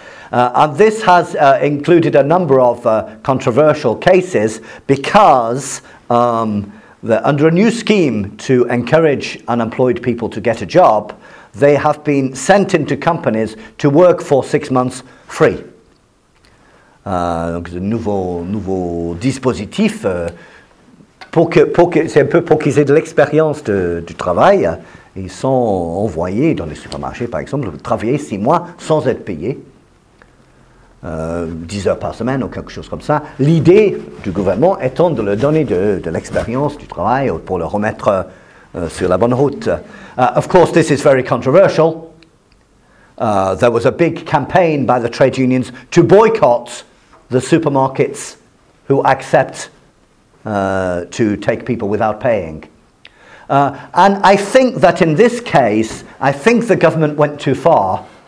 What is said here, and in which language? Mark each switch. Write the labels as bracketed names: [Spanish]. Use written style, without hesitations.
[English] And this has included a number of controversial cases because under a new scheme to encourage unemployed people to get a job, they have been sent into companies to work for 6 months free. [French] Donc, c'est un nouveau dispositif pour qu'ils aient de l'expérience du travail. Ils sont envoyés dans les supermarchés, par exemple, travailler 6 mois sans être payés. 10 heures par semaine ou quelque chose comme ça. L'idée du gouvernement étant de leur donner de l'expérience du travail pour le remettre sur la bonne route. [English] Of course, this is very controversial. There was a big campaign by the trade unions to boycott the supermarkets who accept to take people without paying. And I think that in this case, I think the government went too far.